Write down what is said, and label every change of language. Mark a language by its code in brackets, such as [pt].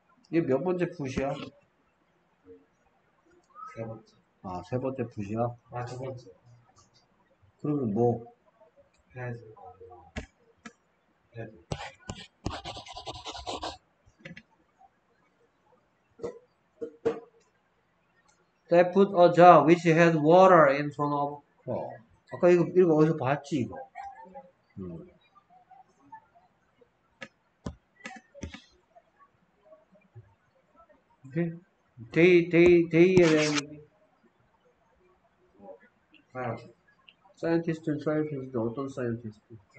[ko] 이게 몇 번째 푸시야? 아, 세 번째 붓이야? 아, 두 번째. 그러면 뭐? 해야 될것 같아요. 해야 될것 같아요. [en] They put a jar which has water in front of her. [ko] 아까 이거 어디서 봤지, 이거? 데이에 대한 얘기. 사이언티스트는 어떤 사이언티스트?